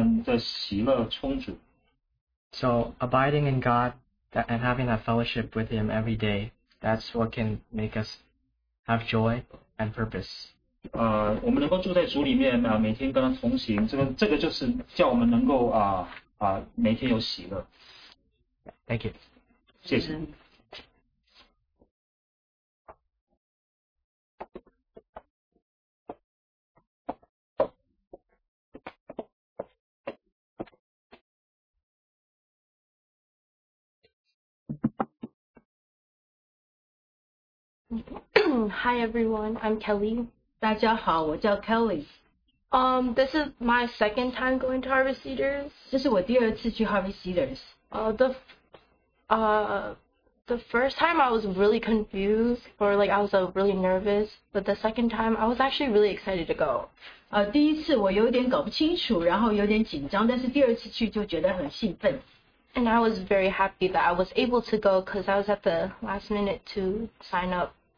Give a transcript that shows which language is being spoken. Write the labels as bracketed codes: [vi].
[zh] 最后我们第四节提到说，我们将这些话写给你们，使你们的喜乐充足。 [en] So abiding in God and having that fellowship with Him every day, that's what can make us have joy and purpose. [zh] 我们能够住在主里面，每天跟他同行，这个就是叫我们能够每天有喜乐。 [en] Thank you. [zh] 谢谢。 [en] Hi everyone, I'm Kelly. [zh] 大家好，我叫Kelly. [en] This is my second time going to Harvey Cedars. [zh] 这是我第二次去 Harvey Cedars. [en] The first time I was really confused, or like I was really nervous, but the second time I was actually really excited to go. [zh] 第一次我有点搞不清楚，然后有点紧张，但是第二次去就觉得很兴奋。 [en] And I was very happy that I was able to go because I was at the last minute to sign up.